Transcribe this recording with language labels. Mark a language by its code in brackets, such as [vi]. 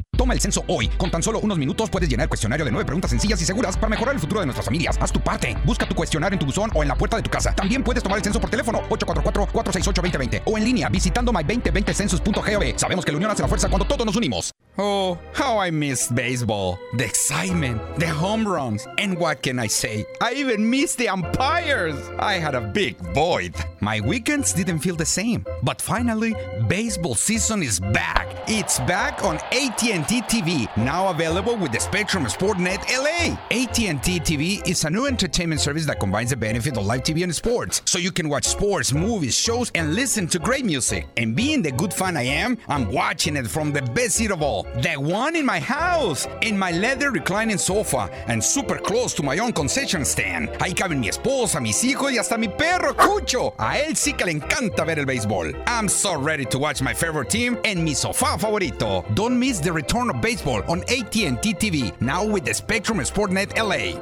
[es] Toma el censo hoy. Con tan solo unos minutos puedes llenar el cuestionario de 9 preguntas sencillas y seguras para mejorar el futuro de nuestras familias. Haz tu parte. Busca tu cuestionario en tu buzón o en la puerta de tu casa. También puedes tomar el censo por teléfono 844-468-2020 o en línea visitando my2020census.gov. Sabemos que la unión hace la fuerza cuando todos nos unimos. [en] Oh, how I miss baseball. The excitement, the home runs, and what can I say? I even miss the umpires. I had a big void. My weekends didn't feel the same. But finally, baseball season is back. It's back on AT&T TV, now available with the Spectrum Sportnet LA. AT&T TV is a new entertainment service that combines the benefit of live TV and sports, so you can watch sports, movies, shows, and listen to great music. And being the good fan I am, I'm watching it from the best seat of all. The one in my house, in my leather reclining sofa, and super close to my own concession stand. [es] Ahí caben mi esposa, mis hijos y hasta mi perro, Cucho. A él sí que le encanta ver el béisbol. [en] I'm so ready to watch my favorite team [es] en mi sofá favorito. [en] Don't miss the return of baseball on AT&T TV, now with the Spectrum Sportnet LA.